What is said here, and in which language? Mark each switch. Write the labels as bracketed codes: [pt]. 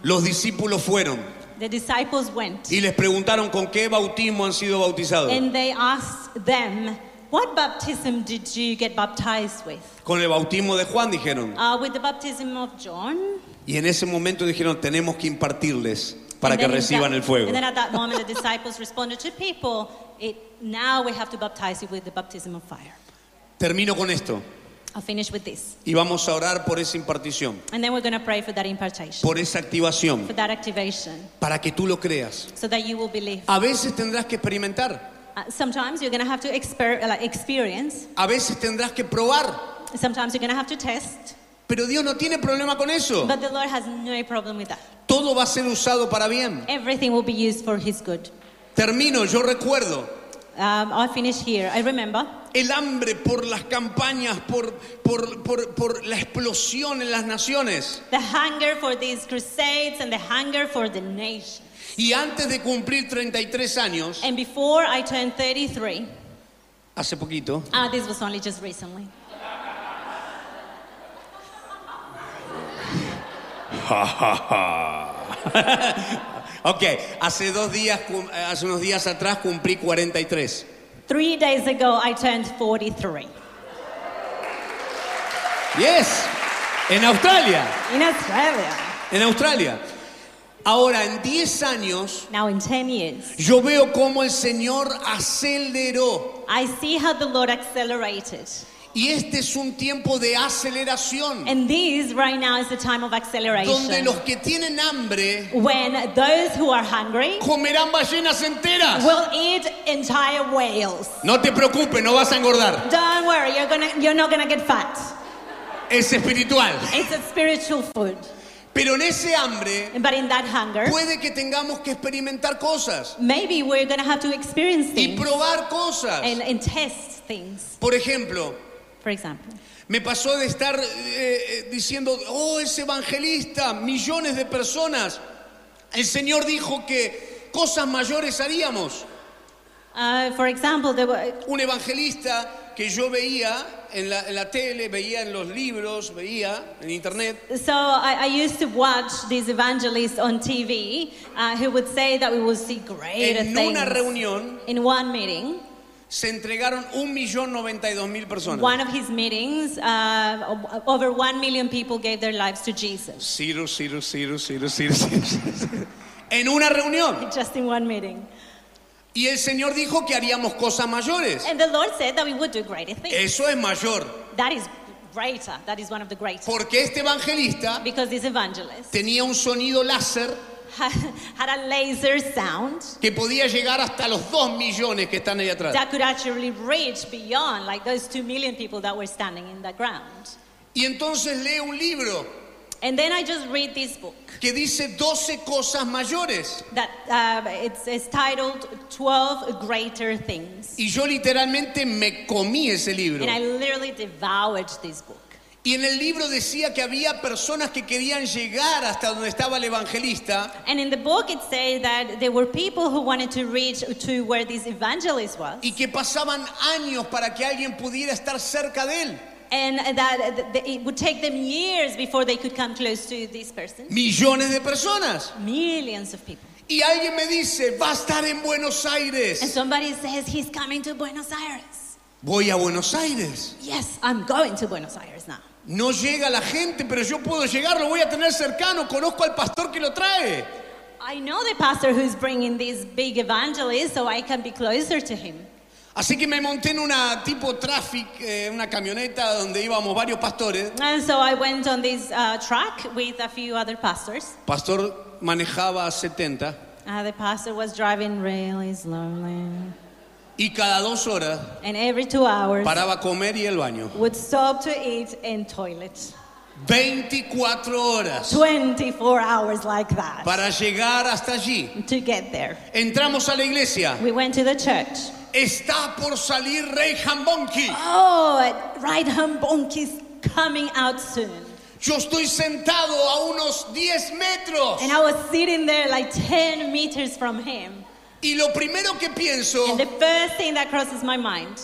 [es] Los discípulos fueron. [en] The disciples went. [es] Y les preguntaron con qué bautismo han sido bautizados. [en] And they asked them, what baptism did you get baptized with? [es] Con el bautismo de Juan, dijeron. [en] With the baptism of John. [es] Y en ese momento dijeron, tenemos que impartirles para que reciban [en] that, [es] el fuego. [en] And then at that moment the disciples responded to people, now we have to baptize you with the baptism of fire. [es] Termino con esto. [en] I'll finish with this. [es] Y vamos a orar por esa impartición. [en] And then we're going to pray for that impartation. [es] Por esa activación. [en] For that activation. [es] Para que tú lo creas. [en] So that you will believe. [es] A veces tendrás que experimentar. [en] Sometimes you're going to have to experience. [es] A veces tendrás que probar. [en] Sometimes you're going to have to test. [es] Pero Dios no tiene problema con eso. [en] But the Lord has no problem with that. [es] Todo va a ser usado para bien. [en] Everything will be used for His good. [es] Termino, yo recuerdo. [en] I finish here. I remember. [es] El hambre por las campañas, por la explosión en las naciones. [en] The hunger for these crusades and the hunger for the nations. [es] Y antes de cumplir 33 años. [en] And before I turned 33. [es] Hace poquito. [en] This was only just recently. [es] Okay, hace unos días atrás cumplí 43. [en] 3 days ago, I turned 43. [es] Yes, en Australia. [en] In Australia. [es] En Australia. Ahora, en 10 años. [en] Now in 10 years. [es] Yo veo cómo el Señor aceleró. [en] I see how the Lord accelerated. [es] Y este es un tiempo de aceleración. [en] And this right now is the time of acceleration. [es] Donde los que tienen hambre. [en] When those who are hungry. [es] Comerán ballenas enteras. [en] Will eat entire whales. [es] No te preocupes, no vas a engordar. [en] Don't worry, you're not gonna get fat. [es] Es espiritual. [en] It's a spiritual food. [es] Pero en ese hambre. [en] But in that hunger. [es] Puede que tengamos que experimentar cosas. [en] Maybe we're gonna have to experience things. [es] Y probar cosas. [en] And test things. [es] Por ejemplo. [en] For example, [es] me pasó de estar diciendo, oh, ese evangelista, millones de personas. El Señor dijo que cosas mayores haríamos. [en] For example, there were [es] un evangelista que yo veía en la tele, veía en los libros, veía en internet. [en] So I used to watch these evangelists on TV, who would say that we would see greater things. [es] En una reunión. [en] In one meeting. [es] Se entregaron 1,092,000 personas. [en] One of his meetings, over 1,000,000 people gave their lives to Jesus. Zero, zero, zero, zero, zero, zero, zero. [es] En una reunión. [en] Just in one meeting. [es] Y el Señor dijo que haríamos cosas mayores. [en] And the Lord said that we would do greater things. [es] Eso es mayor. [en] That is greater. That is one of the greatest. [es] Porque este evangelista. [en] Because this evangelist. [es] Tenía un sonido láser. [en] had a laser sound [es] que podía llegar hasta los 2 millones que están ahí atrás. [en] That could actually reach beyond, like those 2 million people that were standing in the ground. [es] Y entonces leo un libro. [en] And then I just read this book. [es] Que dice 12 cosas mayores. [en] That it's titled 12 Greater Things. [es] Y yo literalmente me comí ese libro. [en] And I literally devoured this book. [es] Y en el libro decía que había personas que querían llegar hasta donde estaba el evangelista. [en] And in the book it said that there were people who wanted to reach to where this evangelist was. [es] Y que pasaban años para que alguien pudiera estar cerca de él. [en] And that it would take them years before they could come close to this person. [es] Millones de personas. [en] Millions of people. [es] Y alguien me dice, va a estar en Buenos Aires. [en] And somebody says he's coming to Buenos Aires. [es] Voy a Buenos Aires. [en] Yes, I'm going to Buenos Aires now. [es] No llega la gente, pero yo puedo llegar, lo voy a tener cercano, conozco al pastor que lo trae. [en] I know the pastor who's bringing this big evangelist, so I can be closer to him. [es] Así que me monté en una tipo traffic, una camioneta donde íbamos varios pastores. [en] And so I went on this truck with a few other pastors. [es] Pastor manejaba 70. [en] The pastor was driving really slowly. [es] Y cada 2 horas [en] and every 2 hours, [es] paraba a comer y el baño. [en] Would stop to eat and toilet. [es] 24 horas. [en] 24 hours like that. [es] Para llegar hasta allí. [en] To get there. [es] Entramos a la iglesia. [en] We went to the church. [es] Está por salir Rey Hambonki. [en] Oh, Right Hambonki is coming out soon. [es] Yo estoy sentado a unos 10 metros. [en] And I was sitting there like 10 meters from him. [es] Y lo primero que pienso, [en] and the first thing that crosses my mind,